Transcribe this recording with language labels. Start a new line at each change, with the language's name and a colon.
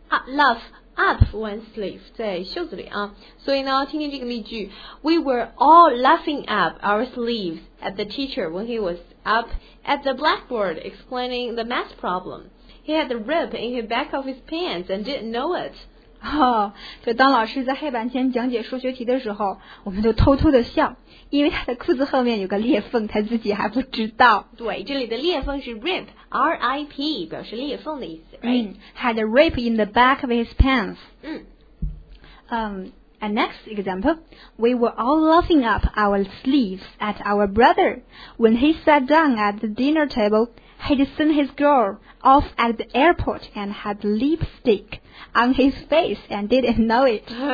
English: Laugh up one sleeve
Chinese: 在袖子里啊，所以呢，听听这个例句
English: ，We were all laughing up our sleeves at the teacher when he was up at the blackboard explaining the math problem. He had a rip in the back of his pants and didn't know it.
Chinese: 哦，就当老师在黑板前讲解数学题的时候，我们就偷偷的笑，因为他的裤子后面有个裂缝，他自己还不知道。对，这里的裂缝是 rip, R-I-P, 表示裂缝的意思。
English: Right? Had a rip in the back of his pants. And next example, we were all laughing up our sleeves at our brother when he sat down at the dinner table. He'd seen his girl off at the airport and had lipstick on his face and didn't know it.